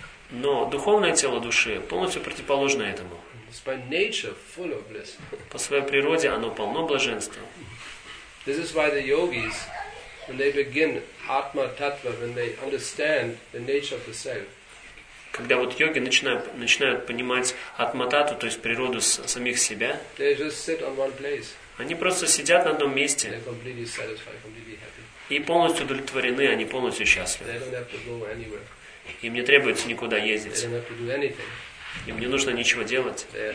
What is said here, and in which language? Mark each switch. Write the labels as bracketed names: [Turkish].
[Russian] Но духовное тело души полностью противоположно этому. По своей природе оно полно блаженства. [English] This is why the yogis, when they begin atma tattva, when they understand the nature of the self. [Russian] Когда вот йоги начинают понимать атма тату, то есть природу самих себя. [English] They just sit on one place. [Russian] Они просто сидят на одном месте. [English] They're completely satisfied, completely happy. [Russian] И полностью удовлетворены, они полностью счастливы. [English] They don't have to go anywhere. [Russian] Им не требуется никуда ездить. Им не нужно ничего делать.